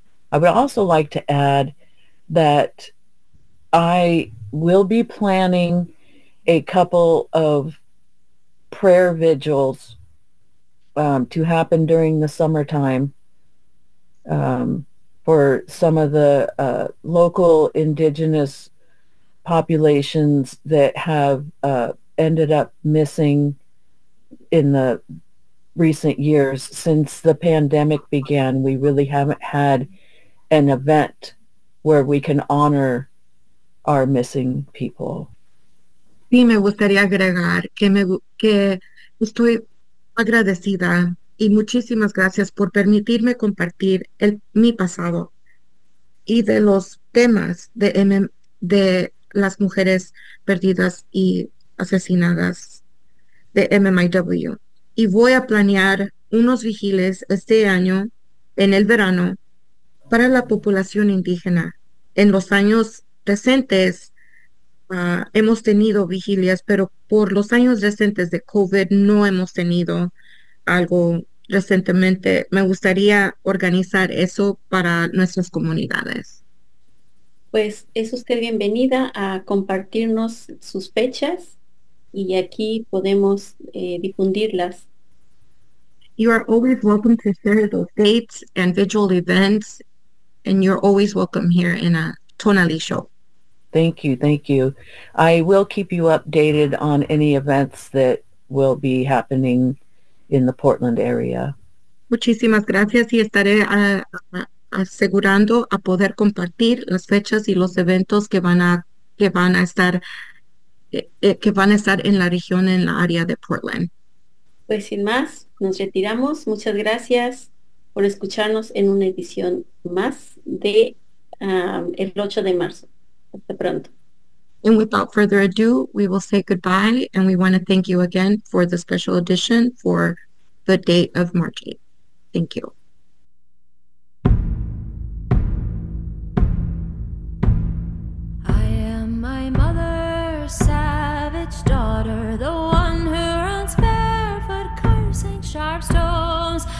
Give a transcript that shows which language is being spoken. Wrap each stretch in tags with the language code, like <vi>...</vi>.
<en>I would also like to add that I will be planning a couple of prayer vigils to happen during the summertime for some of the local indigenous populations that have ended up missing in the recent years since the pandemic began. We really haven't had an event where we can honor our missing people.</en> <es>Sí, me gustaría agregar que estoy agradecida y muchísimas gracias por permitirme compartir mi pasado y de los temas de las mujeres perdidas y asesinadas de MMIW. Y voy a planear unos vigiles este año, en el verano, para la población indígena. En los años recientes, Hemos tenido vigilias, pero por los años recientes de COVID no hemos tenido algo recientemente. Me gustaría organizar eso para nuestras comunidades. Pues es usted bienvenida a compartirnos sus fechas y aquí podemos difundirlas.</es> <en>You are always welcome to share those dates and virtual events, and you're always welcome here in a Tonali show. Thank you, thank you. I will keep you updated on any events that will be happening in the Portland area.</en> <es>Muchísimas gracias y estaré asegurando a poder compartir las fechas y los eventos que van a estar en la región, en la área de Portland. Pues sin más, nos retiramos. Muchas gracias por escucharnos en una edición más de el 8 de marzo. Hasta pronto.</es> <en>And without further ado, we will say goodbye and we want to thank you again for the special edition for the date of March 8th. Thank you. I am my mother's savage daughter, the one who runs barefoot, cursing sharp stones.</en>